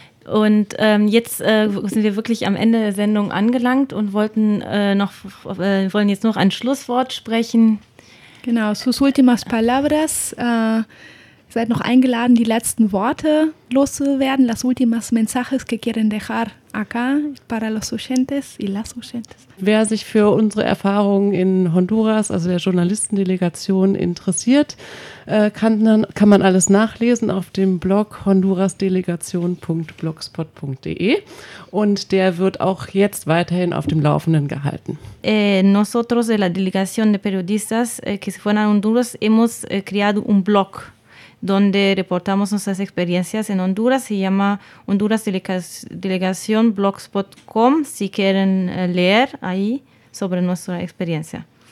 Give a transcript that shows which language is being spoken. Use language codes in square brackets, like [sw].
[de] Und jetzt sind wir wirklich am Ende der Sendung angelangt und wollen jetzt noch ein Schlusswort sprechen. [es] Genau, sus últimas palabras. [de] Seid noch eingeladen, die letzten Worte loszuwerden. [es] Las últimas mensajes que quieren dejar acá para los oyentes y las oyentes. [de] Wer sich für unsere Erfahrungen in Honduras, also der Journalistendelegation, interessiert, kann man alles nachlesen auf dem Blog hondurasdelegation.blogspot.de und der wird auch jetzt weiterhin auf dem Laufenden gehalten. [es] Nosotros de la delegación de periodistas que se fueron a Honduras hemos creado un blog donde reportamos nuestras experiencias en Honduras. Se llama Honduras Delegación Blogspot.com, si quieren leer ahí sobre nuestra experiencia.